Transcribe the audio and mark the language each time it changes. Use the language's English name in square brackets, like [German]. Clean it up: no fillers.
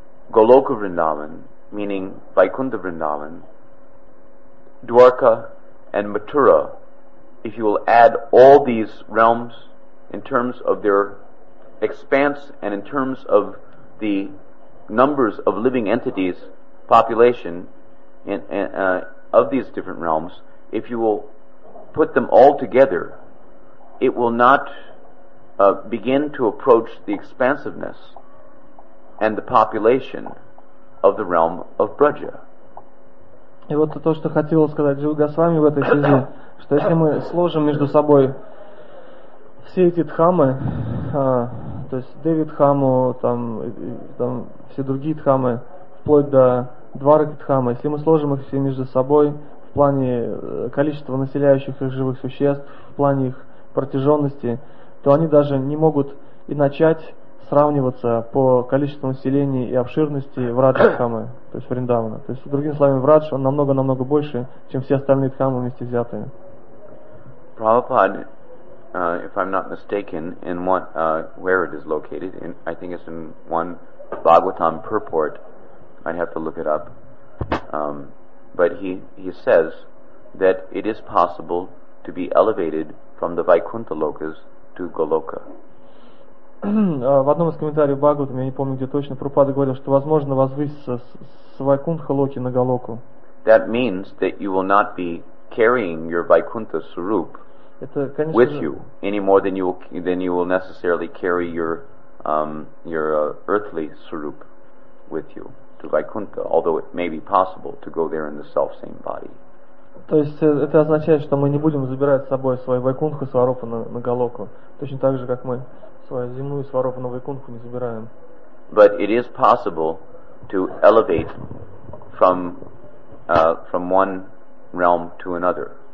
[English] Goloka Vrindavan, meaning Vaikuntha Vrindavan, Dwarka and Mathura, if you will add all these realms in terms of their expanse and in terms of the numbers of living entities, population of these different realms, if you will put them all together, it will not begin to approach the expansiveness and the population of the realm of Braja. [Russian] И вот то, что хотел сказать Джива Госвами в этой связи, что если мы сложим между собой все эти дхамы, то есть Девидхаму, там все другие дхамы, вплоть до Дваракадхамы, если мы сложим их все между собой в плане количества населяющих их живых существ, в плане их протяженности, то они даже не могут и начать сравниваться по количеству населения и обширности Враджа-дхамы, то есть Вриндавана. То есть, другими словами, Врадж, он намного-намного больше, чем все остальные дхамы вместе взятые. [English] Prabhupada, if I'm not mistaken, in what, where it is located, in, I think it's in one Bhagavatam purport, I'd have to look it up, but he says that it is possible to be elevated from the Vaikuntha lokas to Goloka. [Russian] В одном из комментариев Бхагаватам, я не помню где точно, Прабхупада говорил, что возможно возвыситься с Вайкунтха Локи на Галоку. [English] That means that you will not be carrying your Vaikuntha Swarup with you any more than you will necessarily carry your earthly Swarup with you to Vaikuntha, although it may be possible to go there in the self same body. [Russian] То есть это означает, что мы не будем забирать с собой свой Вайкунтха Сварупа на Галоку, точно так же, как мы свою земную Сварупу на Вайкунтху не забираем. [English] But it is possible to elevate from from one realm to another.